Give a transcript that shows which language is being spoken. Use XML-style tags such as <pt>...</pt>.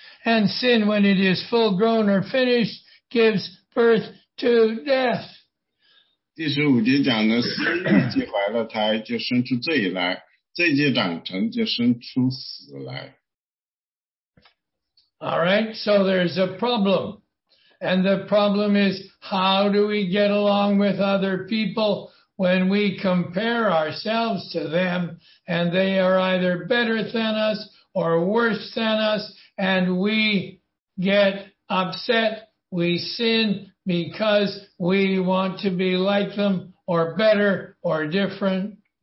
<en>And sin, when it is full grown or finished, gives birth to death.</en> <zh>第15节讲呢，私欲既怀了胎，就生出罪来，罪既长成，就生出死来。</zh> <en>All right, so there's a problem. And the problem is, how do we get along with other people when we compare ourselves to them and they are either better than us or worse than us and we get upset, we sin because we want to be like them or better or different?</en>